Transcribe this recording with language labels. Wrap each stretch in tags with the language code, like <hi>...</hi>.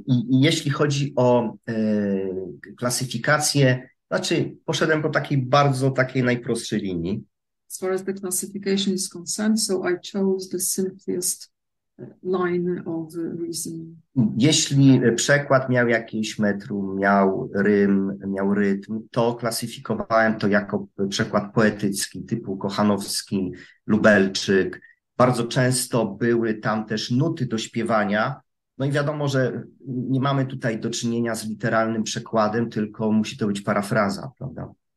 <pl>Jeśli chodzi o klasyfikację, znaczy poszedłem po takiej bardzo takiej najprostszej linii.</pl> <en>As far as the classification is concerned, so I chose the simplest line of reasoning.</en> <pl>Jeśli przekład miał jakieś metrum, miał rytm, to klasyfikowałem to jako przekład poetycki, typu Kochanowski, Lubelczyk. Bardzo często były tam też nuty do śpiewania. No i wiadomo, że nie mamy tutaj do czynienia z literalnym przekładem, tylko musi to być parafraza, prawda?</pl>